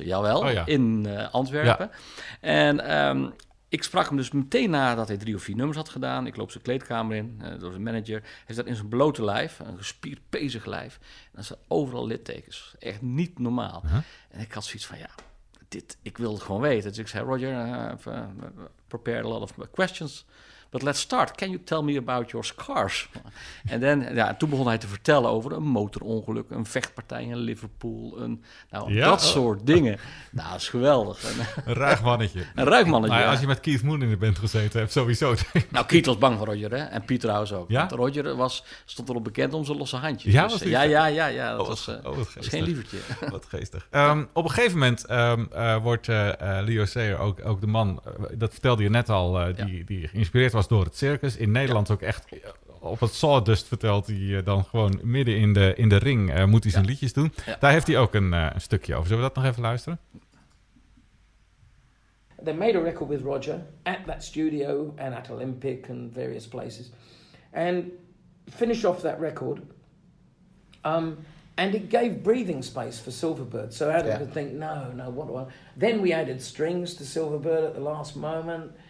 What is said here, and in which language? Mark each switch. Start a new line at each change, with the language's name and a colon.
Dutch: Jawel. In Antwerpen. Ja. En... ik sprak hem dus meteen nadat hij 3 of 4 nummers had gedaan. Ik loop zijn kleedkamer in door zijn manager. Hij zat in zijn blote lijf, een gespierd, pezig lijf. En dan zat overal littekens. Echt niet normaal. Uh-huh. En ik had zoiets van, ik wil het gewoon weten. Dus ik zei,
English: Roger, I've prepared a lot of questions. But let's start. Can you tell me about your scars?
Dutch: En toen begon hij te vertellen over een motorongeluk, een vechtpartij in Liverpool, dat soort dingen. Nou, dat is geweldig. Een ruig mannetje. Nou, als je met Keith Moon in de band gezeten hebt, sowieso. Nou, Keith was bang voor Roger, hè? En Piet trouwens ook. Ja? Want Roger stond erop bekend om zijn losse handjes. Ja, dus, ja. Dat was geen lievertje. Wat geestig. Op een gegeven moment wordt Leo Sayer ook de man, dat vertelde je net al, die geïnspireerd was door het circus. In Nederland ook echt op het Sawdust vertelt hij dan gewoon midden in de ring moet hij zijn liedjes doen. Ja. Daar heeft hij ook een stukje over. Zullen we dat nog even luisteren?
English: They made a record with Roger at that studio and at Olympic and various places. And finished off that record. And it gave breathing space for Silverbird. So Adam could think, no, what do I... Then we added strings to Silverbird at the last moment.